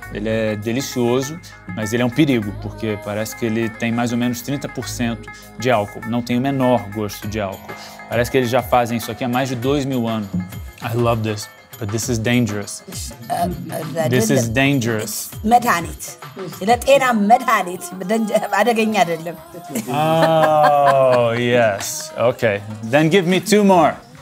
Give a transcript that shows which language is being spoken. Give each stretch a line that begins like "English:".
Portuguese: Ele é delicioso, mas ele é um perigo, porque parece que ele tem mais ou menos 30% de álcool. Não tem o menor gosto de álcool. Parece que eles já fazem isso aqui há mais de 2000 anos.
English: I love this, but this is dangerous. This is dangerous.
Amharic: Medhanit.
Portuguese: Ele era medhanit, adaganha.
English: Oh, yes. Okay. Then give me 2 more.